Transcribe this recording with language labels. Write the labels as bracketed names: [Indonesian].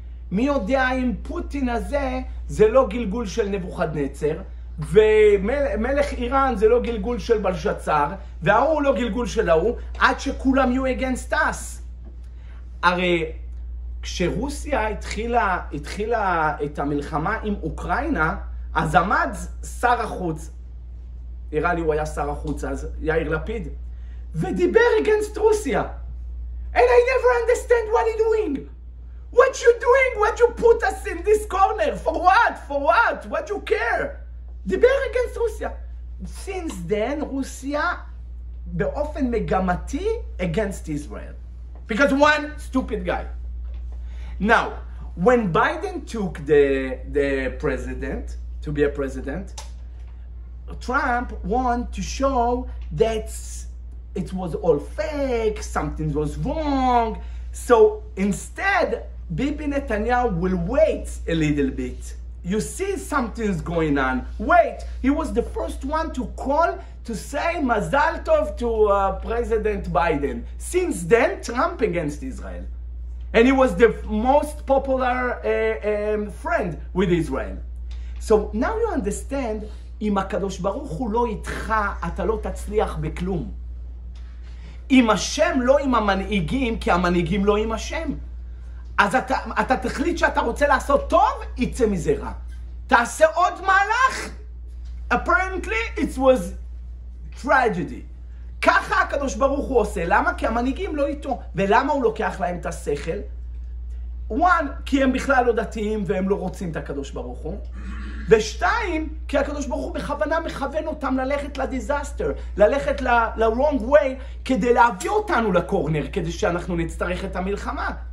[Hebrew] מי יודע אם פוטין הזה זה לא גלגול של נבוכדנצר, ומלך איראן זה לא גלגול של בלשצר, והוא לא גלגול של ההוא, עד שכולם יהיו [English] against us. [Hebrew] הרי כשרוסיה התחילה את המלחמה עם אוקראינה, אז עמד שר החוץ, נראה לי הוא היה שר החוץ אז, יאיר לפיד, ודיבר [English] against [Hebrew] רוסיה. [English] And I never understand what you're doing. What you doing? What you put us in this corner? For what? For what? What you care? [Hebrew] דיבר [English] against [Hebrew] רוסיה. [English] Since then, [Hebrew] רוסיה באופן מגמתי [English] against Israel. Because one stupid guy. Now, when Biden took the president, to be a president, Trump wanted to show that it was all fake, something was wrong. So instead, Bibi Netanyahu will wait a little bit. You see something's going on, wait. He was the first one to call to say Mazal Tov to President Biden. Since then, Trump against Israel. And he was the most popular friend with Israel. So now you understand, [Hebrew] אם הקדוש ברוך הוא לא איתך, אתה לא תצליח בכלום. אם השם לא עם המנהיגים, כי המנהיגים לא עם השם. אז אתה תחליט שאתה רוצה לעשות טוב, יצא מזה רע. תעשה עוד מהלך. [English] Apparently it was tragedy. [Hebrew] ככה הקדוש ברוך הוא עושה. למה? כי המנהיגים לא איתו. ולמה הוא לוקח להם את השכל? [English] One, [Hebrew] כי הם בכלל לא דתיים והם לא רוצים את הקדוש ברוך הוא. ושתיים, כי הקדוש ברוך הוא בכוונה מכוון אותם ללכת לדיזאסטר, ללכת ל- [English] wrong way, [Hebrew] כדי להביא אותנו לקורנר, כדי שאנחנו נצטרך את המלחמה.